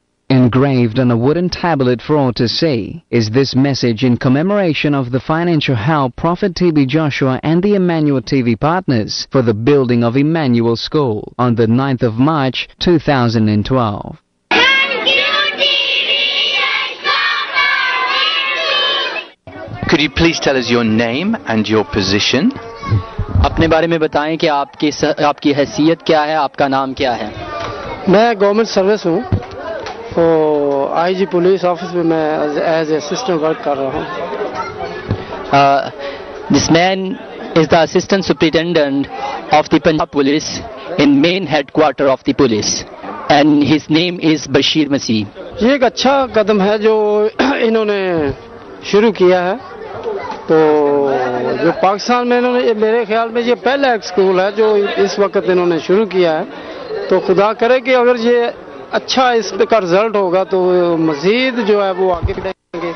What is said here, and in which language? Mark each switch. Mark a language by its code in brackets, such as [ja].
[en] Engraved on a wooden tablet for all to see is this message in commemoration of the financial help Prophet TB Joshua and the Emmanuel TV partners for the building of Emmanuel School on the 9th of March 2012. Could you please tell us your name and your position? [hi] अपने बारे में बताएं कि आपकी आपकी हैसियत क्या है, आपका नाम क्या है? मैं गवर्नमेंट सर्विस हूं और आईजी पुलिस ऑफिस में मैं एज असिस्टेंट वर्क कर रहा हूं. [en] This man is the assistant superintendent of the Punjab Police in main headquarter of the police. And his name is Bashir Masih. [hi] ये एक अच्छा कदम है जो इन्होंने शुरू किया है. तो जो पाकिस्तान में इन्होंने, मेरे ख्याल में ये पहला एक स्कूल है जो इस वक्त इन्होंने शुरू किया है. तो खुदा करे कि अगर ये अच्छा इसका रिजल्ट होगा तो मजीद जो है वो आगे बढ़ेंगे.